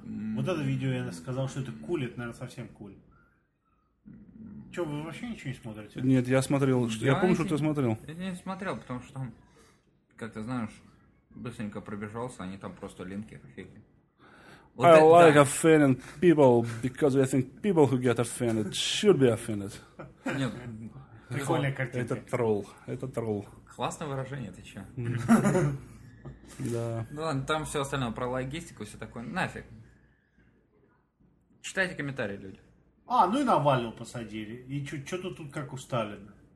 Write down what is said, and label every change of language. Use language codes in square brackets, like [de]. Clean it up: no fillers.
[ru] Вот это видео, я сказал, что это куль, это, наверное, совсем куль. Че, вы вообще ничего не смотрите? Нет, я смотрел. Я помню, что ты смотрел. Я не смотрел, потому что там, как ты знаешь, быстренько пробежался, они там просто линки фигли. Вот [en] I [ru] это, [en] like [ru] да. [en] offending people, because I think people who get offended should be offended. [ru] Нет. Прикольная картинка. Это тролл. Классное выражение, ты че? Да. Ну ладно, там все остальное про логистику, все такое. Нафиг. Читайте комментарии, люди. А, ну и Навального посадили. И что-то тут как у Сталина.